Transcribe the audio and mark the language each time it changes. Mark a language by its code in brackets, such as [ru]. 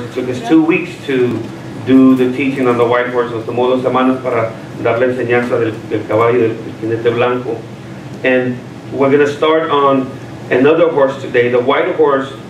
[en] It took us 2 weeks to do the teaching on the white horse. [es] Nos tomó dos semanas para dar la enseñanza del caballo, del jinete blanco. [en] And we're going to start on another horse today, the white horse.